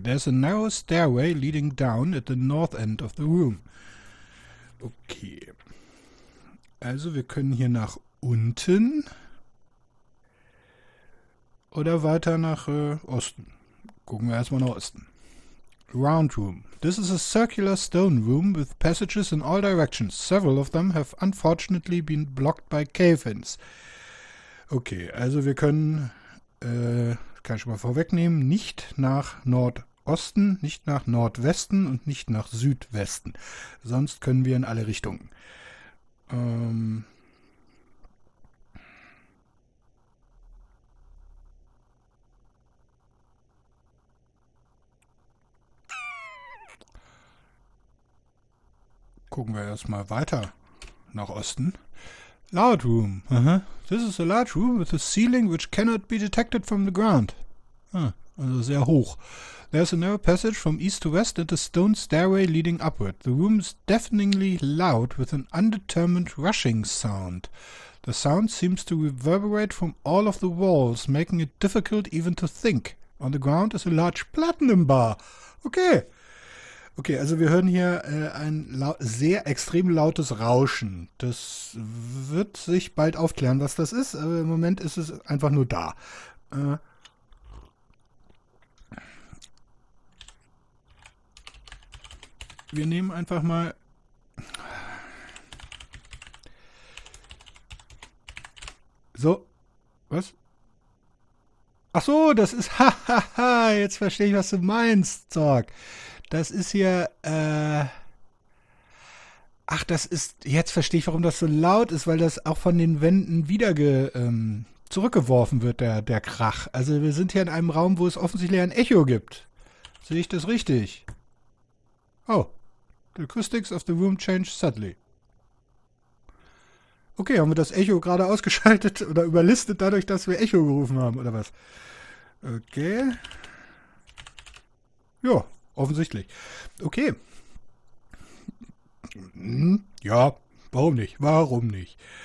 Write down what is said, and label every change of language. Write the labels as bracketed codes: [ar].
[en] There's a narrow stairway leading down at the north end of the room. Okay. [de] Also wir können hier nach unten oder weiter nach Osten. Gucken wir erstmal nach Osten. [en] Round room. This is a circular stone room with passages in all directions. Several of them have unfortunately been blocked by cave-ins. [de] Okay, also wir können, kann ich schon mal vorwegnehmen, nicht nach Nordosten, nicht nach Nordwesten und nicht nach Südwesten. Sonst können wir in alle Richtungen. Gucken wir erstmal weiter nach Osten. [en] Loud room. This is a large room with a ceiling which cannot be detected from the ground. [de] Also sehr hoch. [en] There's a narrow passage from east to west and a stone stairway leading upward. The room is deafeningly loud with an undetermined rushing sound. The sound seems to reverberate from all of the walls, making it difficult even to think. On the ground is a large platinum bar. Okay. [de] Okay, also wir hören hier ein sehr extrem lautes Rauschen. Das wird sich bald aufklären, was das ist. Aber im Moment ist es einfach nur da. Wir nehmen einfach mal... So, was? Ach so, das ist... Hahaha, jetzt verstehe ich, was du meinst, Zorg. Das ist hier, ach, das ist, jetzt verstehe ich, warum das so laut ist, weil das auch von den Wänden wieder zurückgeworfen wird, der Krach. Also wir sind hier in einem Raum, wo es offensichtlich ein Echo gibt. Sehe ich das richtig? [en] Oh, the acoustics of the room changed suddenly. [de] Okay, haben wir das Echo gerade ausgeschaltet oder überlistet dadurch, dass wir Echo gerufen haben, oder was? Okay. Ja. Offensichtlich. Okay. Ja, Warum nicht? Warum nicht?